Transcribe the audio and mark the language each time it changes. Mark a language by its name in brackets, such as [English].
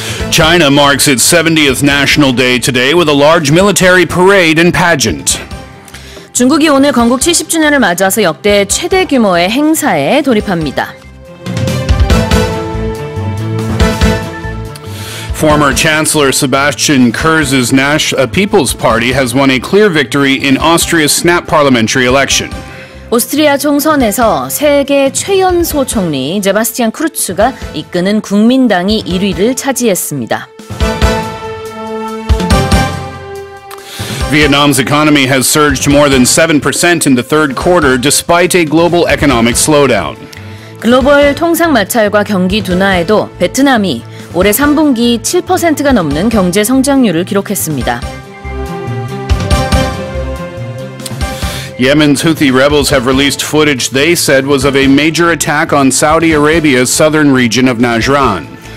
[English] China marks its 70th National Day today with a large military parade and pageant. [Korean] 중국이 오늘 건국 70주년을 맞아서 역대 최대 규모의 행사에 돌입합니다. [English] Former Chancellor Sebastian Kurz's People's Party has won a clear victory in Austria's snap parliamentary election. [Korean] 오스트리아 총선에서 세계 최연소 총리 제바스티안 크루츠가 이끄는 국민당이 1위를 차지했습니다. [English] Vietnam's economy has surged more than 7% in the third quarter despite a global economic slowdown. [Korean] 글로벌 통상 마찰과 경기 둔화에도 베트남이 올해 3분기 7%가 넘는 경제 성장률을 기록했습니다. [English] Yemen's Houthi rebels have released footage they said was of a major attack on Saudi Arabia's southern region of Najran.